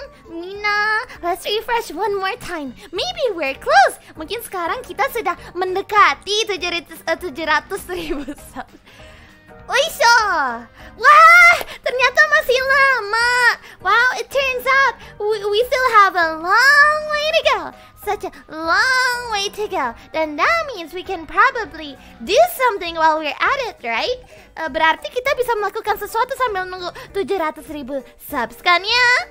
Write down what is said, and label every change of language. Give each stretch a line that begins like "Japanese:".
English: Mina, let's refresh one more time. Maybe we're close.
Indonesian: Mungkin sekarang kita sudah mendekati 700 ribu subs. Oisho! Wah! Ternyata masih lama.
English: Wow, it turns out we still have a long way to go. Such a long way to go. Then that means we can probably do something while we're at it, right?
Indonesian: Berarti kita bisa melakukan sesuatu sambil nunggu 700 ribu subs, kan ya?